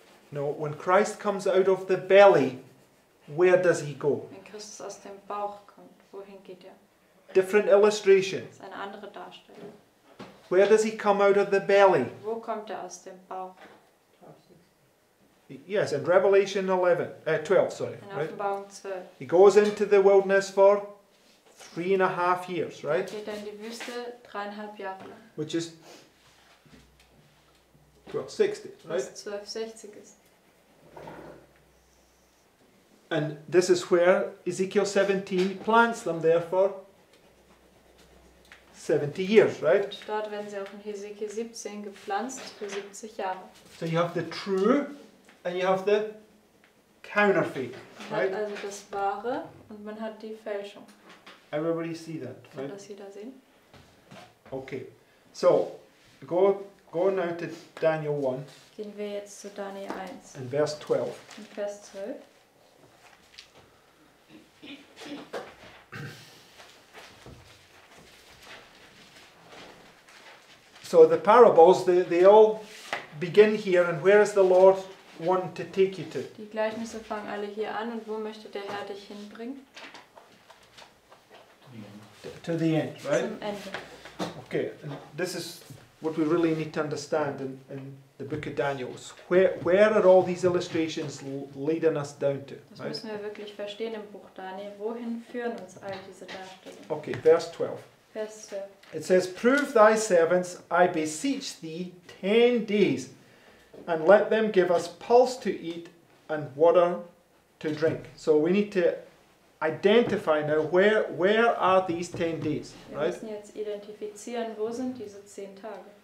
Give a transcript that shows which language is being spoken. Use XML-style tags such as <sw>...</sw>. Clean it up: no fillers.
<en>No, when Christ comes out of the belly, where does he go?</en> <de>Wenn Christus aus dem Bauch kommt, wohin geht er?</de> <en>Different illustration.</en> <de>Das ist eine andere Darstellung.</de> <en>Where does he come out of the belly?</en> <de>Wo kommt er aus dem Bauch?</de> <en>Yes, in Revelation 11, 12, sorry.</en> <de>In Offenbarung 12.</de> <en>He goes into the wilderness for 3.5 years, right?</en> <de>Geht in die Wüste 3.5 Jahre lang.</de> <en>Which is 1260, right?</en> <de>Was 1260 ist.</de> <en>And this is where Ezekiel 17 plants them there for 70 years, right?</en> <de>Dort werden sie auch in Ezekiel 17 gepflanzt für 70 Jahre.</de> <en>So you have the true and you have the counterfeit, right?</en> <de>Man hat also das Wahre und man hat die Fälschung.</de> <en>Everybody see that, right?</en> <de>Kann das jeder sehen?</de> <en>Okay, so go now to Daniel 1.</en> <de>Gehen wir jetzt zu Daniel 1. In Vers 12. In Vers 12.</de> <en>So the parables, they all begin here, and where is the Lord want to take you to?</en> <de>Die Gleichnisse fangen alle hier an, und wo möchte der Herr dich hinbringen?</de> <en>To the end, right?</en> <de>Zum Ende.</de> <en>Okay, and this is what we really need to understand in the book of Daniel. Where are all these illustrations leading us down to?</en> <de>Das</de> <en>right?</en> <de>Müssen wir wirklich verstehen im Buch Daniel. Wohin führen uns all diese Darstellungen?</de> <en>Okay,</en> <de>Vers 12.</de> <en>It says, prove thy servants, I beseech thee, 10 days, and let them give us pulse to eat and water to drink. So we need to identify now where are these 10 days, right?</en> <de>Wir müssen jetzt identifizieren, wo sind diese 10 Tage.</de>